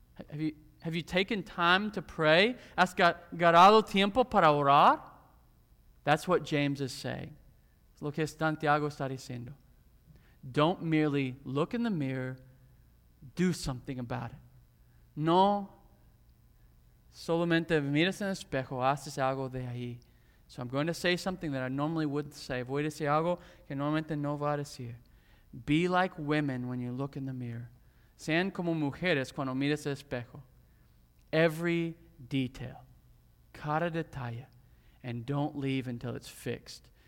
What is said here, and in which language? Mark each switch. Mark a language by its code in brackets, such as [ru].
[en] Have you taken time to pray? [es] ¿Has ganado tiempo para orar? [en] That's what James is saying. [es] Lo que Santiago está diciendo. [en] Don't merely look in the mirror. Do something about it. [es] No solamente miras en el espejo, haces algo de ahí. [en] So I'm going to say something that I normally wouldn't say. [es] Voy a decir algo que normalmente no va a decir. [en] Be like women when you look in the mirror. [es] Sean como mujeres cuando miras el espejo. [en] Every detail, [es] cada detalle, [en] and don't leave until it's fixed.